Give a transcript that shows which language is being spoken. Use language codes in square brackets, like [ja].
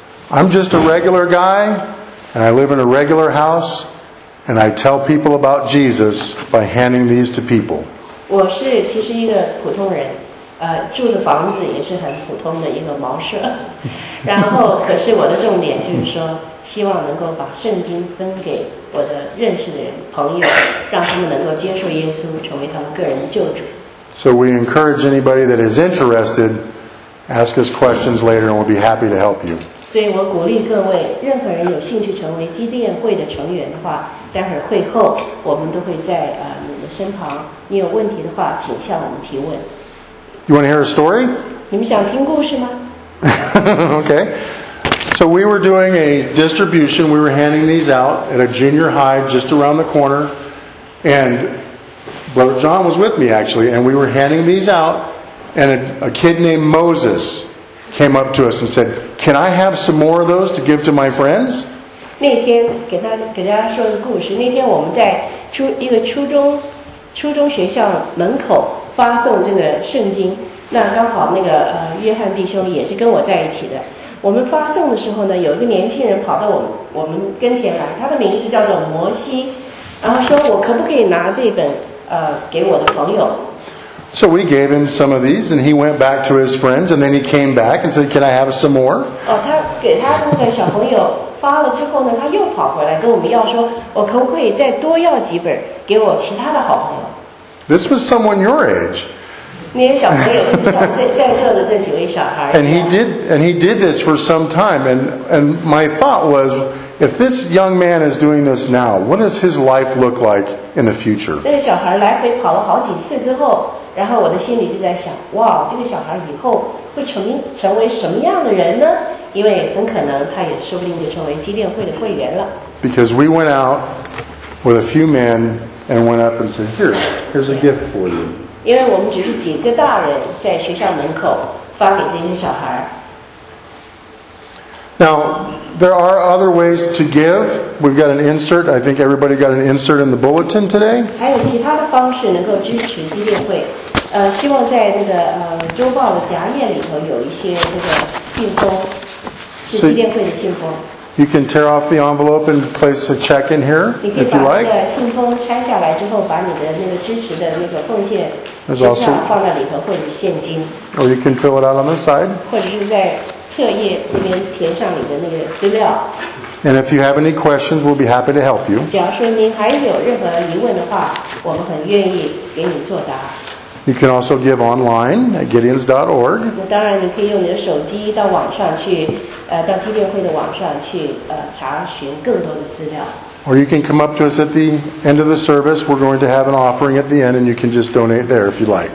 [en] I'm just a regular guy. And I live in a regular house, and I tell people about Jesus by handing these to people. [zh] 我是其实一个普通人，住的房子也是很普通的一个茅舍。然后，可是我的重点就是说，希望能够把圣经分给我的认识的人、朋友，让他们能够接受耶稣，成为他们个人的救主。 [en] So we encourage anybody that is interested. Ask us questions later and we'll be happy to help you. [zh] 所以我鼓励各位，任何人有兴趣成为基甸会的成员的话，待会儿会后我们都会在你的身旁，你有问题的话请向我们提问。 [en] You want to hear a story? [zh] 你们想听故事吗？ [en] Okay. So we were doing a distribution, we were handing these out at a junior high just around the corner, and Brother John was with me actually, and we were handing these out,And a kid named Moses came up to us and said, "Can I have some more of those to give to my friends?" [zh] 那天给大家说个故事。那天我们在一个初中学校门口发送这个圣经。那刚好那个约翰弟兄也是跟我在一起的。我们发送的时候呢，有一个年轻人跑到我们跟前来，他的名字叫做摩西，然后说我可不可以拿这本给我的朋友。 [en] So we gave him some of these, and he went back to his friends, and then he came back and said, "Can I have some more?" [zh] Oh, 他给他那个小朋友发了之后呢，他又跑回来跟我们要说，我可不可以再多要几本给我其他的好朋友？ [en] This was someone your age. [zh] 那些小朋友，在座的这几位小孩。 [en] And he did this for some time, and my thought was. If this young man is doing this now, what does his life look like in the future? [zh] 那个小孩来回跑了好几次之后，然后我的心里就在想，哇，这个小孩以后会成为什么样的人呢？因为很可能他也说不定就成为基甸会的会员了。 [en] Because we went out with a few men and went up and said, here's a gift for you. [zh] 因为我们只是几个大人在学校门口发给这些小孩。 [en] Now, there are other ways to give. We've got an insert. I think everybody got an insert in the bulletin today. [zh] 还有其他的方式能够支持基甸会。希望在那个周报的夹页里头有一些那个信封，是基甸会的信封。 [en] You can tear off the envelope and place a check in here if you like. [zh] 你可以把那个信封拆下来之后，把你的那个支持的那个奉献支票放在里头，或者现金。 [en] Or you can fill it out on the side. [zh] 或者是在侧页那边填上你的那个资料。 [en] And if you have any questions, we'll be happy to help you. [zh] 假如说您还有任何疑问的话，我们很愿意给你作答。 [en] You can also give online at Gideons.org. [zh] 当然，你可以用你的手机到网上去，到基甸会的网上去，查询更多的资料。 [en] Or you can come up to us at the end of the service. We're going to have an offering at the end, and you can just donate there if you like.